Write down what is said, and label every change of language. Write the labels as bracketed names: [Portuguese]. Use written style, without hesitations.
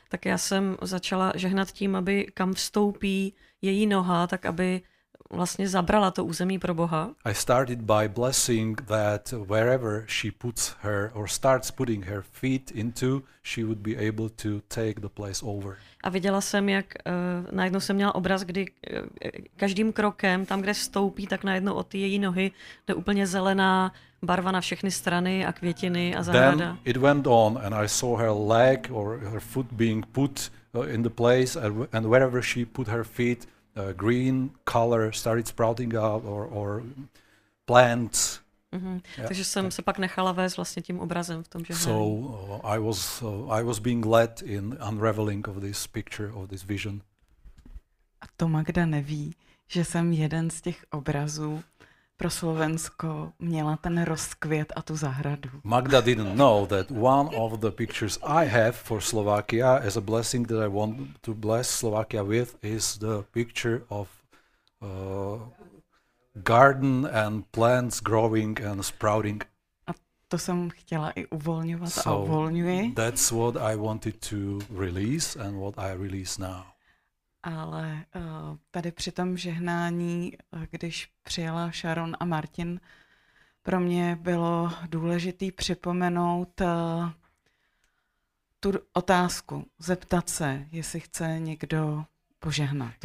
[Czech] Tak já jsem začala žehnat tím, aby kam vstoupí její noha, tak aby vlastně zabrala to území pro Boha. [English] I started by blessing that wherever she puts her or starts putting her feet into, she would be able to take the place over. [Czech] A viděla jsem, jak najednou jsem měla obraz, kdy každým krokem, tam, kde stoupí, tak najednou od její nohy jde úplně zelená barva na všechny strany a květiny a zahrada. [English] Then it went on and I saw her leg or her foot being put in the place and wherever she put her feet, green color started sprouting out or plants. Mm-hmm. [Czech] Takže jsem se pak nechala vést vlastně tím obrazem v tom, že [English] so I was being led in unraveling of this picture of this vision. [Czech] A to Magda neví, že jsem jeden z těch obrazů pro Slovensko měla ten rozkvět a tu zahradu. [English] Magda didn't know that one of the pictures I have for Slovakia as a blessing that I want to bless Slovakia with is the picture of garden and plants growing and sprouting. [Czech] A to jsem chtěla i uvolňovat a uvolňuji. [English] So that's what I wanted to release and what I release now. [Czech] Ale tady při tom žehnání, když přijela Sharon a Martin, pro mě bylo důležitý připomenout tu otázku, zeptat se, jestli chce někdo požehnat.